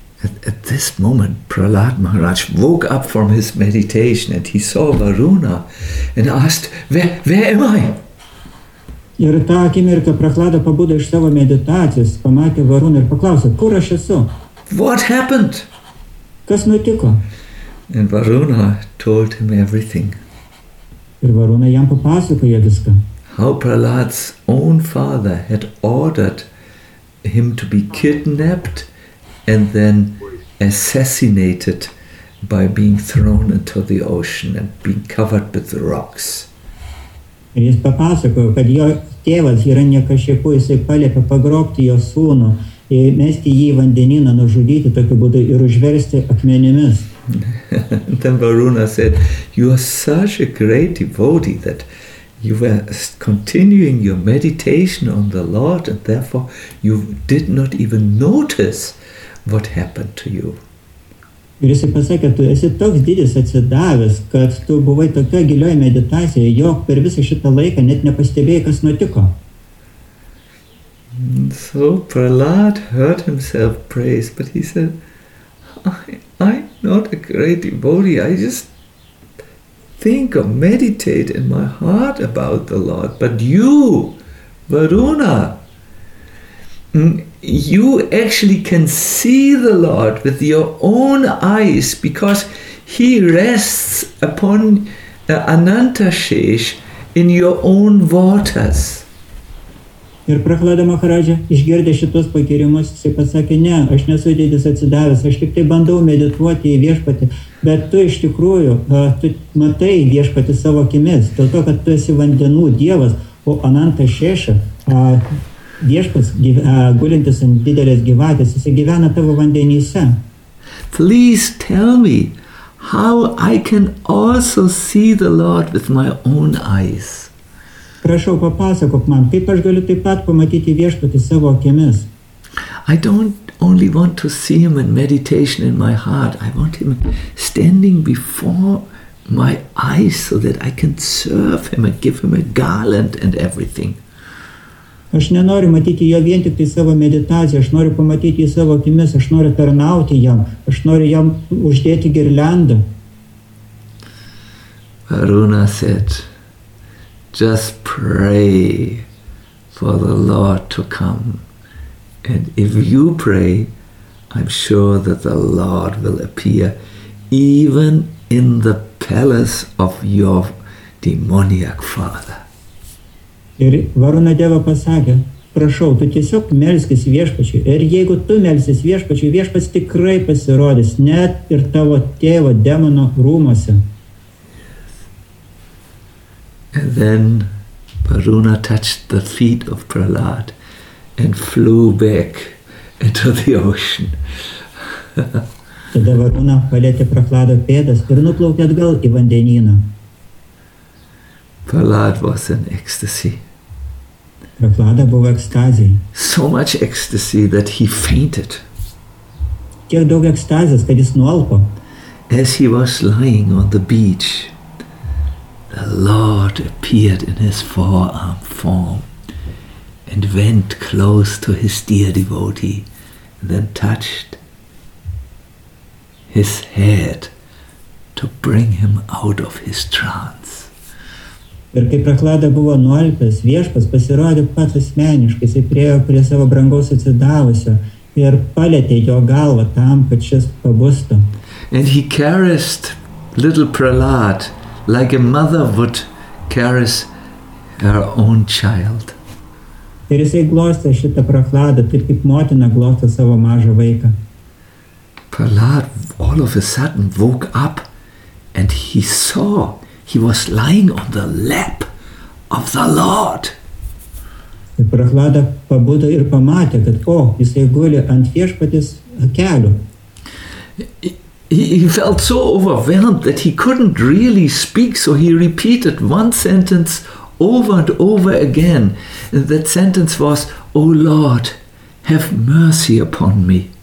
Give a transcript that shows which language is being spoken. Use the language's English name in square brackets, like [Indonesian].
[English] At this moment, Prahlad Maharaj woke up from his meditation and he saw Varuna and asked, where am I? [Lithuanian] Ir tą akimirką Prahlada pabudo iš savo meditacijos, pamatė Varuną ir paklausė, kur aš esu? [English] What happened? [Lithuanian] Kas nutiko? [English] And Varuna told him everything. [Lithuanian] Ir Varuna jam papasakojo viską. [English] How Prahlad's own father had ordered him to be kidnapped and then assassinated by being thrown into the ocean and being covered with rocks. [Lithuanian] Ir jis papasakojo, kad jo tėvas yra niekašėku, jisai paliepė pagrobti jo sūnų, įmesti jį į vandenyną, nužudyti tokiu būdu ir užversti akmenimis. [English] Then Varuna said, "You are such a great devotee that you were continuing your meditation on the Lord, and therefore you did not even notice what happened to you." [Lithuanian] Ir jis pasakė, tu esi toks didis atsidavęs, kad tu buvai tokia gilioje meditacijoje, jog per visą šitą laiką net nepastebėjai, kas nutiko. [English] So Prahlad heard himself praise, but he said, I'm not a great devotee. I just think or meditate in my heart about the Lord. But you, Varuna, you actually can see the Lord with your own eyes because he rests upon Anantashesh in your own waters. [Lithuanian] Ir Prahlada Maharaja išgirdė šitos pagyrimus, jis pasakė, ne, aš nesu didis atsidavęs, aš tik tai bandau medituoti į viešpatį, bet tu iš tikrųjų, tu matai viešpatį savo akimis, dėl to, kad tu esi vandenų dievas, o Ananta Šeša, viešpas, gulintis ant didelės gyvatės, jis gyvena tavo vandenyse. [English] Please tell me, how I can also see the Lord with my own eyes. [Lithuanian] Prašau, papasakok man, kaip aš galiu taip pat pamatyti viešpatį savo akimis. [English] I don't only want to see him in meditation in my heart. I want him standing before my eyes so that I can serve him and give him a garland and everything. [Lithuanian] Aš nenoriu matyti jo vien tik tai savo meditaciją. Aš noriu pamatyti jį savo akimis. Aš noriu tarnauti jam. Aš noriu jam uždėti girlandą. [English] Varuna said, just pray for the Lord to come. And if you pray, I'm sure that the Lord will appear even in the palace of your demoniac father. [Lithuanian] Ir Varuna Deva pasakė, prašau, tu tiesiog melskis viešpačiui. Ir jeigu tu melsis viešpačiui, viešpats tikrai pasirodys, net ir tavo tėvo demono rūmose. [English] And then Varuna touched the feet of Prahlad and flew back into the ocean. [Lithuanian] Tada Varuna palietė Prahlado pėdas ir nuplaukė atgal į vandenyną. [English] Prahlad was in ecstasy. [Lithuanian] Prahlada buvo ekstazijai. [English] So much ecstasy that he fainted. [Lithuanian] Tiek daug ekstazijos, kad jis nualpo. [English] As he was lying on the beach, the Lord appeared in his forearm form and went close to his dear devotee and then touched his head to bring him out of his trance. [Lithuanian] Ir kai Prahlada buvo nualpęs, viešpas pasirodė pat asmeniškai, jis priėjo prie savo brangaus atsidavusio ir palietė jo galvą tam, kad šis pabustų. [English] And he caressed little Prahlad like a mother would caress her own child. [Lithuanian] Ir jisai glostė šitą Prahladą, taip kaip motina glostė savo mažą vaiką. [English] Prahlad all of a sudden woke up and he saw he was lying on the lap of the Lord. [Lithuanian] Ir Prahlada pabudo ir pamatė, kad jisai guli ant viešpatės kelių. [English] He felt so overwhelmed that he couldn't really speak, so he repeated one sentence over and over again. And that sentence was, "O Lord, have mercy upon me."